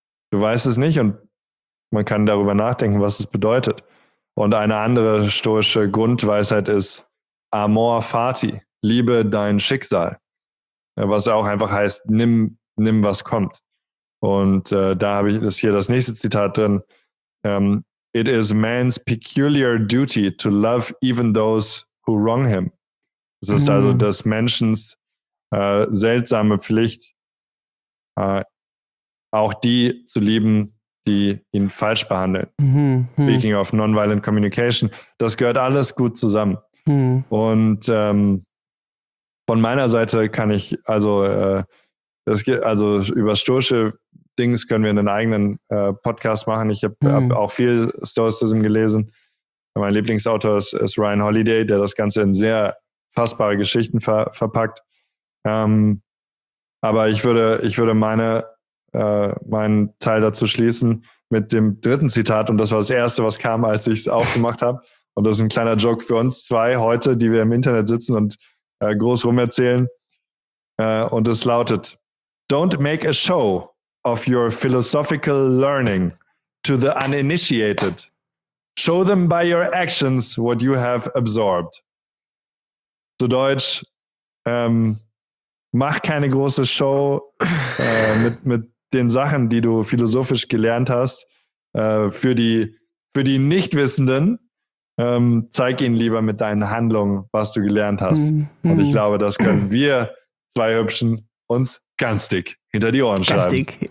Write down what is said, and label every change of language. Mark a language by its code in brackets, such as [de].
[de] Du weißt es nicht und man kann darüber nachdenken, was es bedeutet. Und eine andere stoische Grundweisheit ist Amor Fati, liebe dein Schicksal. Was auch einfach heißt, nimm was kommt. Und da habe ich hier das nächste Zitat drin. [en] It is man's peculiar duty to love even those who wrong him. [de] Es ist also des Menschens seltsame Pflicht, auch die zu lieben, die ihn falsch behandeln. Mhm. [en] Speaking of nonviolent communication. [de] Das gehört alles gut zusammen. Mhm. Und von meiner Seite kann ich, also über stoische Dings können wir einen eigenen Podcast machen. Ich habe hab auch viel Stoicism gelesen. Mein Lieblingsautor ist Ryan Holiday, der das Ganze in sehr fassbare Geschichten verpackt. Aber ich würde meinen Teil dazu schließen mit dem dritten Zitat, und das war das erste, was kam, als ich es aufgemacht habe. Und das ist ein kleiner Joke für uns zwei heute, die wir im Internet sitzen und groß rumerzählen. Und es lautet: [en] Don't make a show of your philosophical learning to the uninitiated. Show them by your actions what you have absorbed. [de] Zu Deutsch, mach keine große Show mit den Sachen, die du philosophisch gelernt hast, für die Nichtwissenden. Zeig ihnen lieber mit deinen Handlungen, was du gelernt hast. Mhm. Und ich glaube, das können wir zwei Hübschen uns ganz dick hinter die Ohren schreiben. Ganz dick.